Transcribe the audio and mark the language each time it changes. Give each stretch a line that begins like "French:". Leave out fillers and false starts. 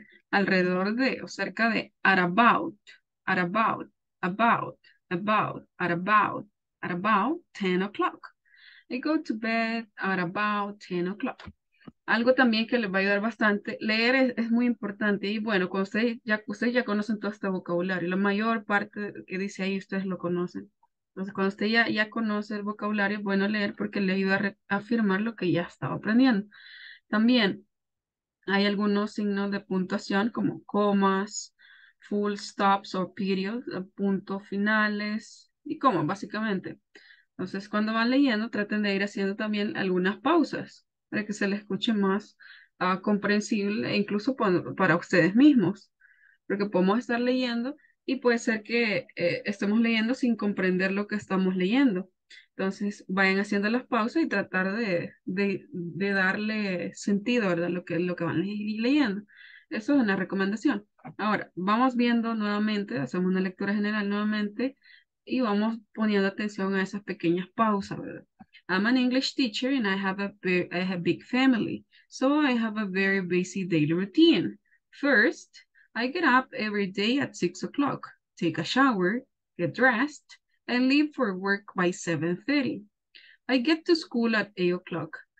Spanish: Alrededor de, o cerca de,
English: at about 10 o'clock. I go to bed at about 10 o'clock.
Spanish: Algo también que les va a ayudar bastante, leer es muy importante. Y bueno, cuando ustedes ya conocen todo este vocabulario, la mayor parte que dice ahí ustedes lo conocen. Entonces, cuando usted ya conoce el vocabulario, es bueno leer porque le ayuda a afirmar lo que ya estaba aprendiendo. También hay algunos signos de puntuación como comas, full stops o periods, puntos finales y comas, básicamente. Entonces, cuando van leyendo, traten de ir haciendo también algunas pausas para que se les escuche más comprensible, incluso para ustedes mismos. Porque podemos estar leyendo y puede ser que estemos leyendo sin comprender lo que estamos leyendo. Entonces, vayan haciendo las pausas y tratar de darle sentido, ¿verdad? Lo que van leyendo. Eso es una recomendación. Ahora, vamos viendo nuevamente, hacemos una lectura general nuevamente y vamos poniendo atención a esas pequeñas pausas, ¿verdad?
English: I'm an English teacher and I have a big family, so I have a very busy daily routine. First, I get up every day at 6 o'clock, take a shower, get dressed, and leave for work by 7:30. I get to school at 8 o'clock.